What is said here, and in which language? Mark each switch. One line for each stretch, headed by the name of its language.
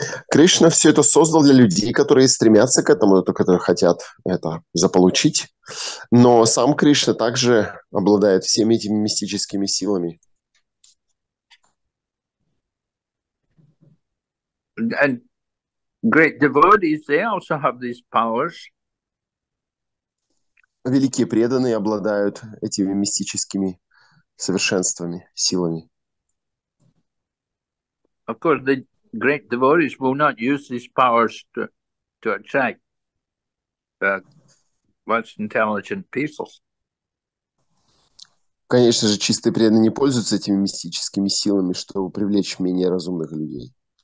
Russian: Кришна все это создал для людей, которые стремятся к этому, которые хотят это заполучить. Но сам Кришна также обладает всеми этими мистическими силами.
English: And great devotees, they also have these powers.
Russian: Великие преданные обладают этими мистическими совершенствами, силами.
English: Of course, they... Great devotees will not use these powers to attract most intelligent people.
Russian: Конечно же, чистые преданные не пользуются этими мистическими силами, чтобы привлечь менее разумных людей.